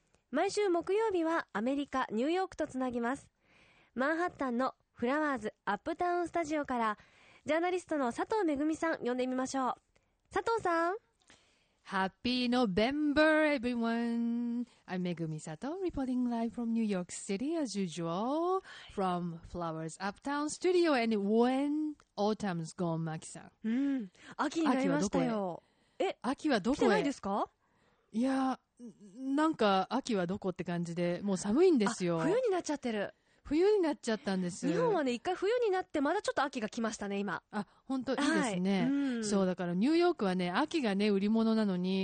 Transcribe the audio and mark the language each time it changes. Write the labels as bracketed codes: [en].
[ja] 毎週木曜日はアメリカ、ニューヨークとつなぎます。マンハッタンのフラワーズアップタウンスタジオからジャーナリストの佐藤めぐみさん呼んでみましょう。佐藤さん、ハッピーノベンバー [en] everyone。 I'm めぐみ佐藤、 reporting live from New York City as usual from Flowers Uptown Studio and when autumn's gone、 マキさん、 [ja] うん、秋になりましたよ。秋はどこへ、来てないですか。いや、なんか秋はどこって感じで、もう寒いんですよ。あ、冬になっちゃってる。冬になっちゃったんです。日本はね、一回冬になってまだちょっと秋が来ましたね今。あ、本当いいですね、はい、うん、そうだからニューヨークはね、秋がね売り物なのに、